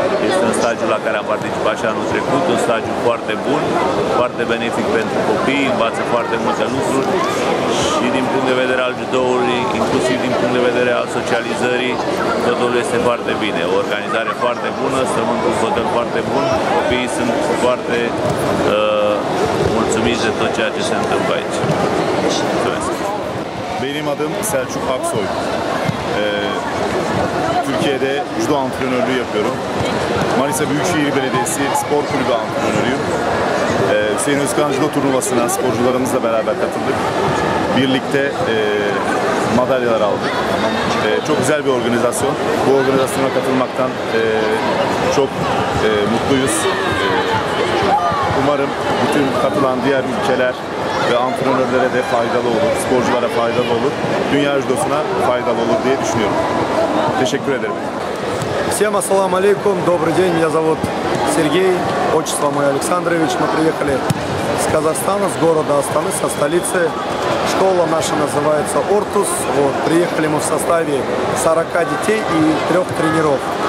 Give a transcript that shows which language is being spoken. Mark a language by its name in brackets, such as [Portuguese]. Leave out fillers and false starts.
[Romanian] Este un stagiu la care am participat și anul trecut, un stagiu foarte bun, foarte benefic pentru copii, învață foarte multe lucruri și din punct de vedere al judoului, inclusiv din punct de vedere al socializării, totul este foarte bine. O organizare foarte bună, sământul fotel foarte bun, copiii sunt foarte mulțumiți de tot ceea ce se întâmplă aici. [Turkish] Benim adım Selçuk Aksoy. Türkiye'de judo antrenörlüğü yapıyorum. Manisa Büyükşehir Belediyesi Spor Kulübü antrenörüyüm. Hüseyin Özkan judo turnuvasına sporcularımızla beraber katıldık. Birlikte madalyalar aldık. Çok güzel bir organizasyon. Bu organizasyona katılmaktan çok mutluyuz. Umarım bütün katılan diğer ülkeler ve antrenörlere de faydalı olur, sporculara faydalı olur, dünya judosuna faydalı olur diye düşünüyorum. Teşekkür ederim. [Russian] Всем ассаламу алейкум, добрый день, меня зовут Сергей, отчество мой Александрович. Мы приехали с Казахстана, с города Астаны, со столицы. Школа наша называется Ортус. Вот, приехали мы в составе 40 детей и 3 тренеров.